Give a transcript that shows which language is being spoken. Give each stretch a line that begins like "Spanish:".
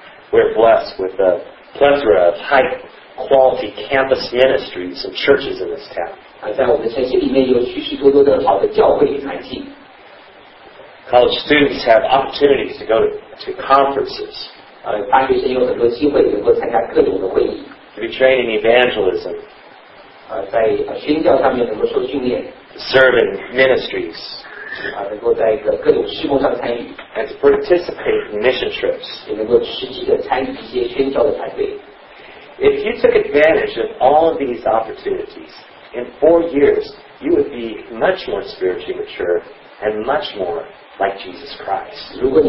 English: We're blessed with a plethora of high quality campus ministries and churches in this town.
Chinese: 在我们城市里面有许许多多的好的教会与团体。
English: College students have opportunities to go to conferences.
Chinese: 大学生有很多机会能够参加各种的会议。
English: To be trained in evangelism.
Chinese: 在宣教上面能够受训练。
English: Serve in ministries.
Chinese: 能够在各种事工上参与。
English: And to participate in mission trips.
Chinese: 也能够实际的参与一些宣教的团队。
English: If you took advantage of all of these opportunities, in 4 years, you would be much more spiritually mature and much more like Jesus Christ.